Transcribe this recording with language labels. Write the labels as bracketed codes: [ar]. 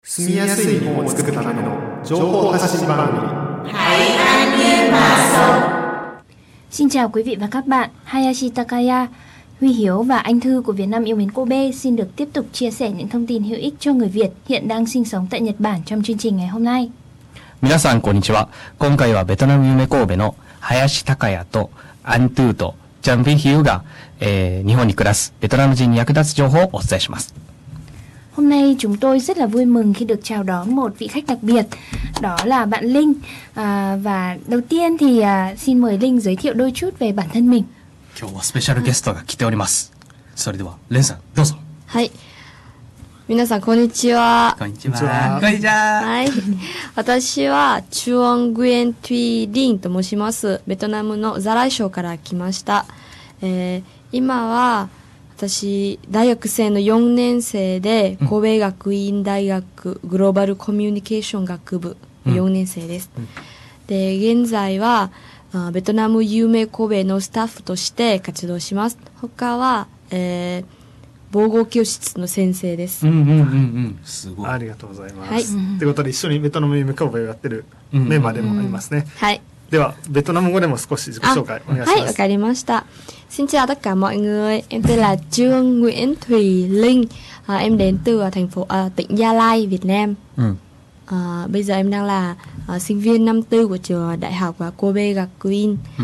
[ja] 住みやすい日本を作るための情報発信番組台湾ニューマーソン。 [vi] Xin chào quý vị và các bạn, Hayashi Takaya、Huy Hiếu và anh Thư của Việt Nam yêu mến Kobe xin được tiếp tục chia sẻ những thông tin hữu ích cho người Việt hiện đang sinh sống tại Nhật Bản trong chương trình ngày hôm nay. [ja] 皆さんこんにちは。今回はベトナム夢神戸の林隆也とアントゥーとジャンビヒューが、日本に暮らすベトナム人に役立つ情報をお伝えします。 [vi] Hôm nay chúng tôi rất là vui mừng khi được chào đón một vị khách đặc biệt, đó là bạn Linh. Và đầu tiên thì xin mời Linh giới thiệu đôi chút về bản thân mình. [ja] 今日はスペシャルゲストが来ております。それではレンさんどうぞ。はい。皆さんこんにちは。こんにちは。こんにちは。はい。私はチュオングエンツィリンと申します。ベトナムのザライ省から来ました。今は私大学生の4年生で神戸学院大学グローバルコミュニケーション学部4年生です。で現在は。ベトナム有名神戸のスタッフとして活動します。他は、防護教室の先生です。すごい。ありがとうございます。ということで一緒にベトナム有名神戸をやってるメンバーでもありますね。はい。ではベトナム語でも少し自己紹介お願いします。はい、わかりました。 [vi] Xin chào tất cả mọi người. Em tên là Trương Nguyễn Thùy Linh. Em đến từ thành phố tỉnh Gia Lai, Việt Nam. Bây giờ em đang làsinh viên năm tư của trường đại học và Kobe Gakuin.